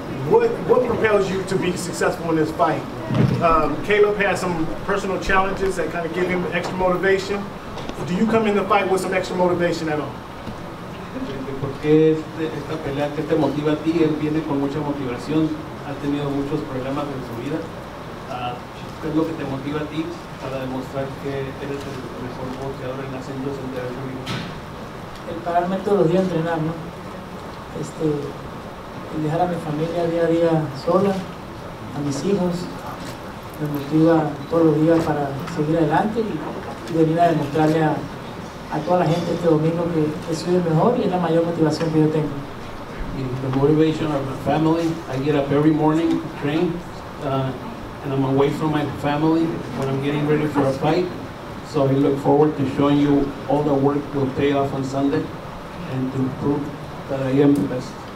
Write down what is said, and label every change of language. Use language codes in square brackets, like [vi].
[en] What propels you to be successful in this fight? Caleb has some personal challenges that kind of give him extra motivation. Do you come in the fight with some extra motivation at all? [es] Porque esta pelea que te motiva a ti, él viene con mucha motivación. Ha tenido muchos problemas en su vida. ¿Qué es lo que te motiva a ti para demostrar que eres el mejor boxeador en haciendo el deber de vivir? El pararme todos los días a entrenar, ¿no? El dejar a mi familia día a día sola, a mis hijos, me motiva todos los días para seguir adelante y venir a demostrarle a toda la gente este domingo que soy el mejor y es la mayor motivación que yo tengo. [en] The motivation of my family, I get up every morning, train, and I'm away from my family when I'm getting ready for a fight. So I look forward to showing you all the work will pay off on Sunday and to prove that I am the best.